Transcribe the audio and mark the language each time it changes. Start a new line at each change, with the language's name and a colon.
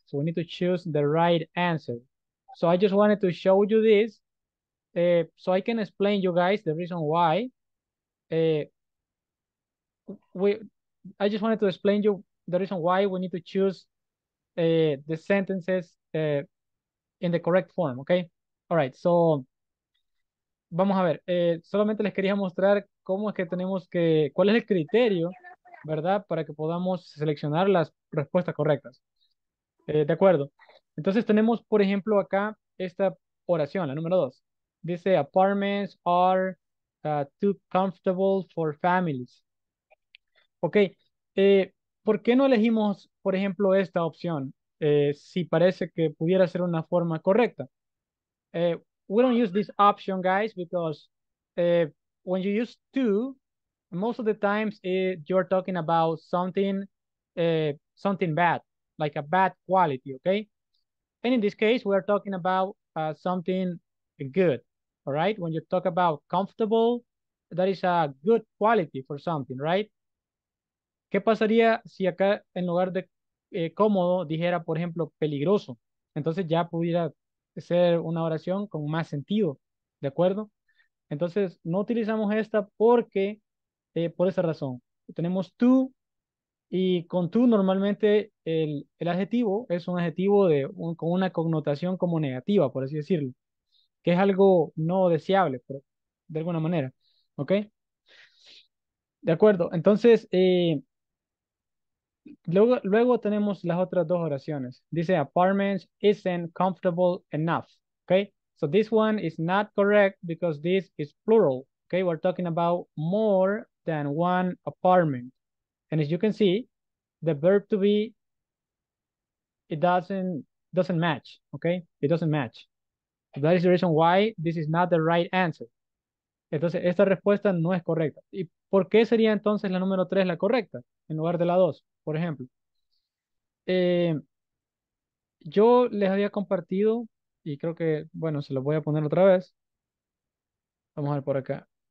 English: So we need to choose the right answer. So I just wanted to show you this. So I can explain you guys the reason why I just wanted to explain you the reason why we need to choose the sentences in the correct form, okay? All right, so
Spanish: vamos a ver, solamente les quería mostrar cómo es que tenemos que, cuál es el criterio, ¿verdad? Para que podamos seleccionar las respuestas correctas. De acuerdo. Entonces tenemos, por ejemplo, acá esta oración, la número 2. Dice,
English: apartments are too comfortable for families.
Spanish: Ok, ¿por qué no elegimos, por ejemplo, esta opción? Si parece que pudiera ser una forma correcta.
English: We don't use this option, guys, because when you use too, most of the times you're talking about something bad, like a bad quality, okay? And in this case, we are talking about something good. All right, when you talk about comfortable, that is a good quality for something, right?
Spanish: ¿Qué pasaría si acá en lugar de cómodo dijera, por ejemplo, peligroso? Entonces ya pudiera ser una oración con más sentido, ¿de acuerdo? Entonces no utilizamos esta porque, por esa razón, tenemos tú y con tú normalmente el adjetivo es un adjetivo con una connotación como negativa, por así decirlo, que es algo no deseable, pero de alguna manera, ¿ok? De acuerdo, entonces, luego tenemos las otras dos oraciones. Dice,
English: apartments isn't comfortable enough, ¿ok? So this one is not correct because this is plural, ¿ok? We're talking about more than one apartment. And as you can see, the verb to be, it doesn't match, ¿ok? It doesn't match. That is the reason why this is not the right answer.
Spanish: Entonces, esta respuesta no es correcta. ¿Y por qué sería entonces la número 3 la correcta en lugar de la 2, por ejemplo? Yo les había compartido y creo que, bueno, se lo voy a poner otra vez. Vamos a ver por acá.